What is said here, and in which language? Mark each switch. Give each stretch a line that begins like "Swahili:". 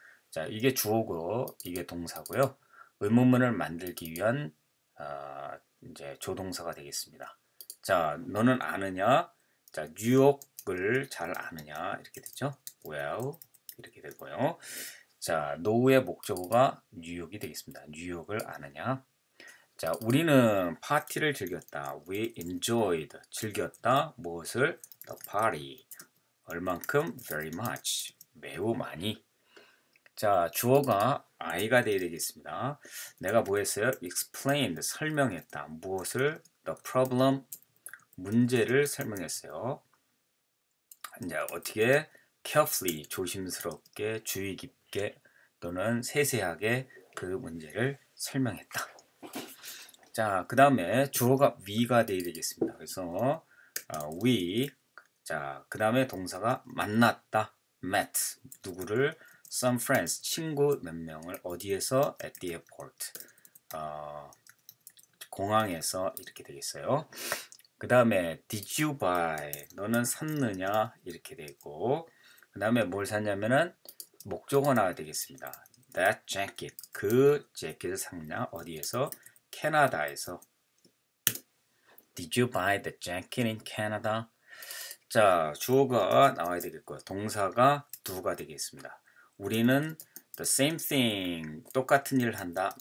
Korean: 자, 이게 주어고 이게 동사고요. 의문문을 만들기 위한 이제 조동사가 되겠습니다. 자, 너는 아느냐? 자, 뉴욕을 잘 아느냐? 이렇게 되죠. well 이렇게 되고요. 자, know의 목적어가 뉴욕이 되겠습니다. 뉴욕을 아느냐? 자, 우리는 파티를 즐겼다.
English: We enjoyed
Korean: 즐겼다. 무엇을?
English: The party.
Korean: 얼만큼?
English: Very much.
Korean: 매우 많이. 자, 주어가 I가 되어야 되겠습니다. 내가 뭐 했어요? Explained. 설명했다. 무엇을?
English: The problem.
Korean: 문제를 설명했어요. 이제 어떻게? Carefully. 조심스럽게, 주의 깊게 또는 세세하게 그 문제를 설명했다. 자, 그 다음에 주어가 we가 되어야 되겠습니다. 그래서 we, 자, 그 다음에 동사가 만났다, met, 누구를, some friends, 친구 몇 명을, 어디에서,
English: at the airport,
Korean: 공항에서, 이렇게 되겠어요. 그 다음에
English: did you buy,
Korean: 너는 샀느냐, 이렇게 되고, 그 다음에 뭘 샀냐면은 목적어 나와야 되겠습니다.
English: that jacket,
Korean: 그 재킷을 샀냐, 어디에서, 캐나다에서.
English: Did you buy the jacket in Canada?
Korean: 자, 주어가 나와야 되겠고요. 동사가 do가 되겠습니다. 우리는
English: the same thing,
Korean: 똑같은 일을 한다.